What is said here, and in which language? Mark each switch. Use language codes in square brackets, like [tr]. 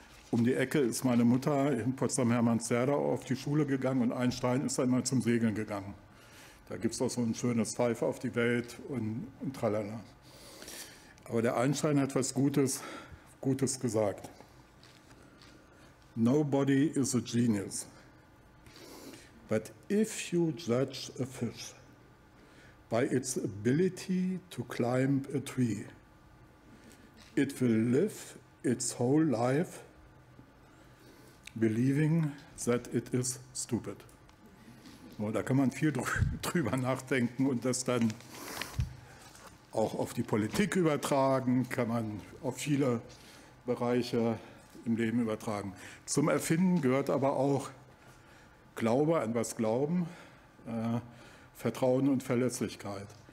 [de] Um die Ecke ist meine Mutter in Potsdam-Hermannswerder auf die Schule gegangen und Einstein ist einmal zum Segeln gegangen. Da gibt es auch so ein schönes Pfeif auf die Welt und tralala. Aber der Einstein hat was Gutes gesagt. [en] Nobody is a genius. But if you judge a fish by its ability to climb a tree, it will live its whole life believing that it is stupid. [de] Da kann man viel drüber nachdenken und das dann auch auf die Politik übertragen, kann man auf viele Bereiche im Leben übertragen. Zum Erfinden gehört aber auch Glaube, an was glauben, Vertrauen und Verlässlichkeit.